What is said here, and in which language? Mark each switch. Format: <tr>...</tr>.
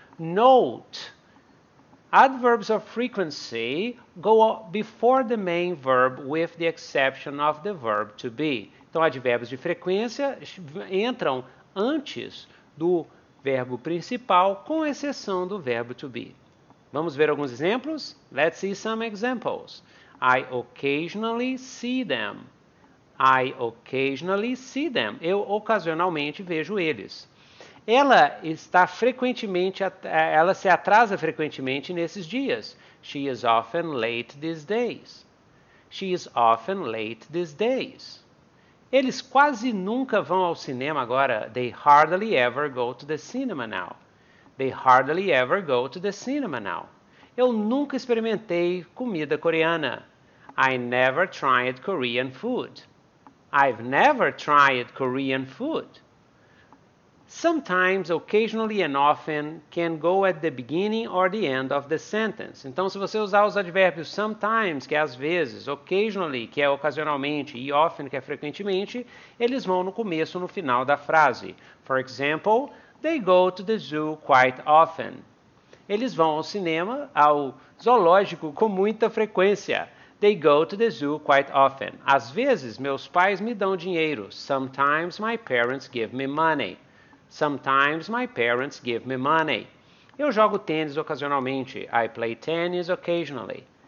<en>Note, adverbs of frequency go before the main verb with the exception of the verb to be.</en> <pt>Então, advérbios de frequência entram antes do verbo principal, com exceção do verbo to be. Vamos ver alguns exemplos?</pt> <en>Let's see some examples. I occasionally see them. I occasionally see them.</en> <pt>Eu ocasionalmente vejo eles. Ela se atrasa frequentemente nesses dias.</pt> <en>She is often late these days. She is often late these days.</en> <pt>Eles quase nunca vão ao cinema agora.</pt> <en>They hardly ever go to the cinema now. They hardly ever go to the cinema now.</en> <pt>Eu nunca experimentei comida coreana.</pt> <en>I never tried Korean food. I've never tried Korean food. Sometimes, occasionally and often can go at the beginning or the end of the sentence.</en> <pt>Então, se você usar os advérbios sometimes, que é às vezes, occasionally, que é ocasionalmente, e often, que é frequentemente, eles vão no começo ou no final da frase.</pt> <en>For example, they go to the zoo quite often.</en> <pt>Eles vão ao cinema, ao zoológico, com muita frequência.</pt> <en>They go to the zoo quite often.</en> <pt>Às vezes, meus pais me dão dinheiro.</pt> <en>Sometimes, my parents give me money. Sometimes my parents give me money.</en> <pt>Eu jogo tênis ocasionalmente.</pt> <en>I play tennis occasionally.</en>